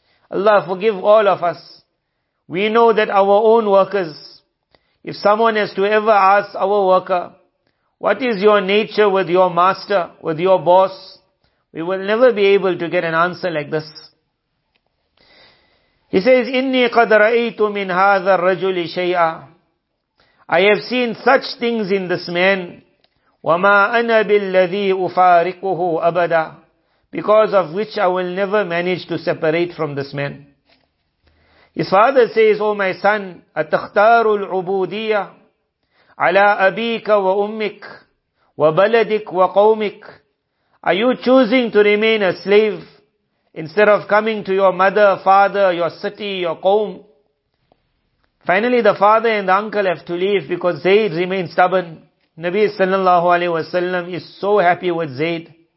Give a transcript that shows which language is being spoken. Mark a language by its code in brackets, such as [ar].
[en] Allah forgive all of us. We know that our own workers, if someone has to ever ask our worker, what is your nature with your master, with your boss? We will never be able to get an answer like this. He says, [ar] إِنِّي قَدْ رَأَيْتُ مِنْ هَذَا الرَّجُلِ شَيْئًا. [en] I have seen such things in this man. [ar] وَمَا أَنَا بِالَّذِي أُفَارِقُهُ أَبَدًا. [en] Because of which I will never manage to separate from this man. His father says, O my son, [ar] أَتَخْتَارُ الْعُبُودِيَّةِ عَلَىٰ أَبِيكَ وَأُمِّكَ وَبَلَدِكَ وَقَوْمِكَ. [en] Are you choosing to remain a slave instead of coming to your mother, father, your city, your qawm? Finally, the father and the uncle have to leave because Zayd remains stubborn. Nabi sallallahu alayhi wa sallam is so happy with Zayd.